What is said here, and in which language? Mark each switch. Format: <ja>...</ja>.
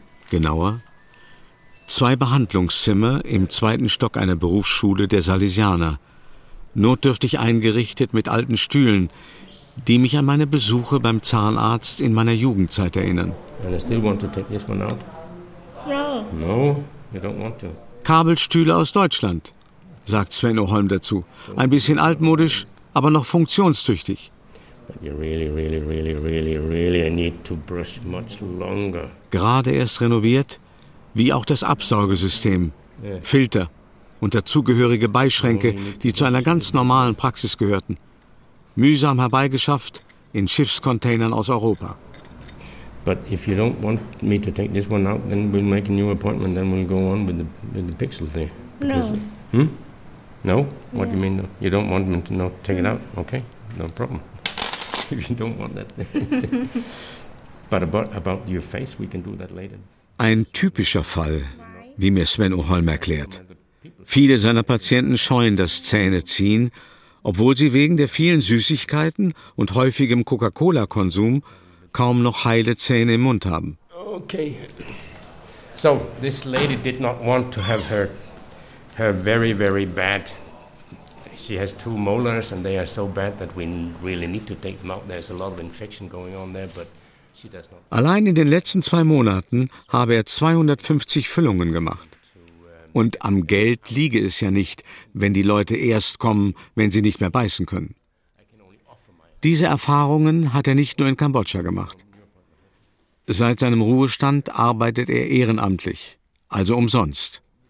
<de>Genauer, zwei Behandlungszimmer im zweiten Stock einer Berufsschule der Salesianer. Notdürftig eingerichtet mit alten Stühlen, die mich an meine Besuche beim Zahnarzt in meiner Jugendzeit erinnern.</de> <en>And I still want to take this one out? No, you don't want to.</en> <de>Kabelstühle aus Deutschland, sagt Sven Oholm dazu. Ein bisschen altmodisch, aber noch funktionstüchtig.</de> <en>But you really, really, really, really, really need to brush much longer.</en> <de>Gerade erst renoviert, wie auch das Absaugesystem, yeah. Filter und dazugehörige Beischränke, die zu einer ganz normalen Praxis gehörten. Mühsam herbeigeschafft in Schiffscontainern aus Europa.</de> <en>But if you don't want me to take this one out, then we'll make a new appointment, then we'll go on with the pixel thing. No. No? Yeah. What do you mean? No? You don't want me to not take it out? Okay, no problem. If you don't want that. But about your face, we can do that later.</en> <de>Ein typischer Fall, wie mir Sven Oholm erklärt. Viele seiner Patienten scheuen das Zähneziehen, obwohl sie wegen der vielen Süßigkeiten und häufigem Coca-Cola-Konsum kaum noch heile Zähne im Mund haben.</de> <en>Okay. So, this lady did not want to have her very, very bad. She has two molars and they are so bad that we really need to take them out. There's a lot of infection going on there, but she does not.</en> <de>Allein in den letzten zwei Monaten habe er 250 Füllungen gemacht. Und am Geld liege es ja nicht, wenn die Leute erst kommen, wenn sie nicht mehr beißen können. Diese Erfahrungen hat er nicht nur in Kambodscha gemacht. Seit seinem Ruhestand arbeitet er ehrenamtlich, also umsonst.</de>